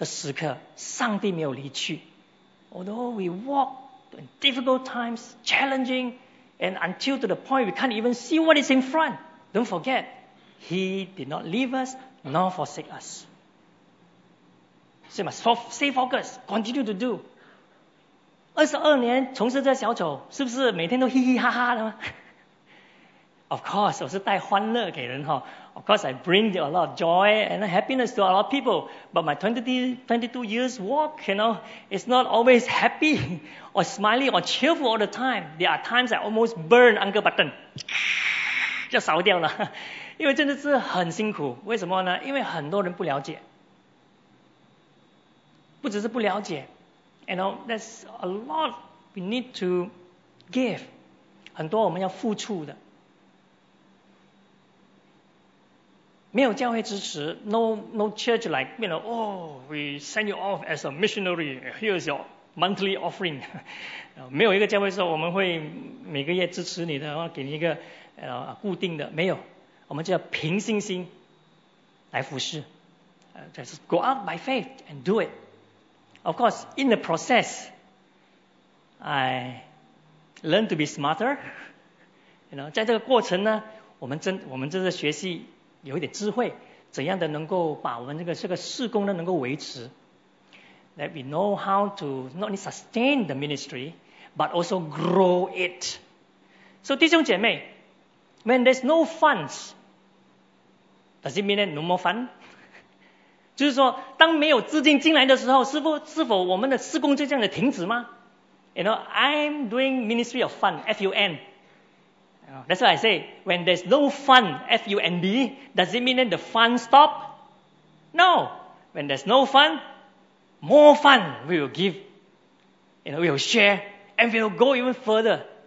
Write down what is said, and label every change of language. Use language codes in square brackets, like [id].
[zh] 一个牧者呢，不会把他的那个杖那个杆呢放掉的。那个杖那杆如果还在直的，就是牧者还有在。阿门。虽然我们经过痛苦挣扎的时刻，上帝没有离去。 [en] Although we walk in difficult times, challenging, and until to the point we can't even see what is in front. Don't forget, He did not leave us nor forsake us. So we must stay focused, continue to do. [zh] 22年从事这小丑，是不是每天都嘻嘻哈哈的吗？ [en] Of course, [zh] 我是带欢乐给人, [en] of course, I bring a lot of joy and happiness to a lot of people. But my 22 years walk, you know, it's not always happy or smiling or cheerful all the time. There are times I almost burn Uncle Button. [zh] 就烧掉了，因为真的是很辛苦。为什么呢？因为很多人不了解，不只是不了解， [en] you know, that's a lot we need to give, [zh] 很多我们要付出的。没有教会支持， [en] no church like, you know, oh, we send you off as a missionary, here's your monthly offering. [zh] 没有一个教会说我们会每个月支持你的，给你一个固定的，没有。我们就要凭信心来服事。 [en] Just go out by faith and do it. Of course, in the process, I learn to be smarter. [zh] You know, 在这个过程呢，我们真的学习有一点智慧，怎样的能够把我们这个事工呢能够维持。 [en] That we know how to not only sustain the ministry, but also grow it. So, 弟兄姐妹, when there's no funds, does it mean that no more fun? [zh] 就是说，当没有资金进来的时候，是否我们的事工就这样的停止吗？ [en] You know, I'm doing ministry of fun, F-U-N. That's why I say, when there's no fun, F-U-N-D, does it mean that the fun stop? No. When there's no fun,More fun we will give, you know, we will share, and we will go even further.